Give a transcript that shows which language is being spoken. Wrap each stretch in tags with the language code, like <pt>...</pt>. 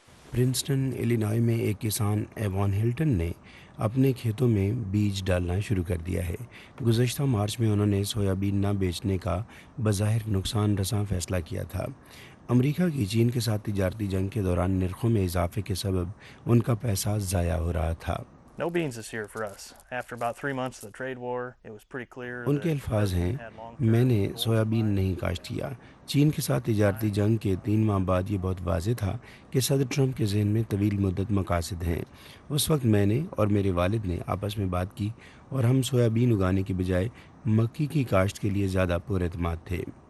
<ur>Princeton الینوئے میں ایک کسان ایوان ہلٹن نے اپنے کھیتوں میں بیج ڈالنا شروع کر دیا ہے۔ گزشتہ مارچ میں انہوں نے سویابین نہ بیچنے کا بظاہر نقصان رساں فیصلہ کیا تھا۔ امریکہ کی چین کے ساتھ تجارتی جنگ کے دوران نرخوں میں اضافے کے سبب ان کا پیسہ ضائع ہو رہا تھا۔</ur> <en>No beans this year for us. After about 3 months of the trade war, it was pretty clear</en> <ur>ان کے الفاظ ہیں، میں نے سویا بین نہیں کاشت کیا۔ چین کے ساتھ تجارتی جنگ کے 3 ماہ بعد یہ بہت واضح تھا کہ صدر ٹرمپ کے ذہن میں طویل مدت مقاصد ہیں۔ اس وقت میں نے اور میرے والد نے آپس میں بات کی اور ہم سویا بین اگانے کے بجائے مکی کی کاشت کے لیے زیادہ پراعتماد تھے۔</ur>